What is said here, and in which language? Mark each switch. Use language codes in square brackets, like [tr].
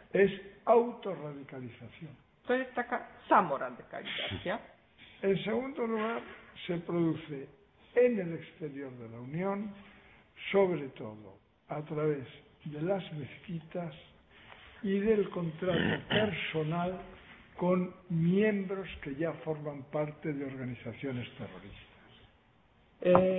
[es] Es autorradicalización. [pl] To jest taka samoradykalizacja. [es] En segundo lugar, se produce en el exterior de la Unión, sobre todo a través de las mezquitas y del contrato personal con miembros que ya forman parte de organizaciones terroristas.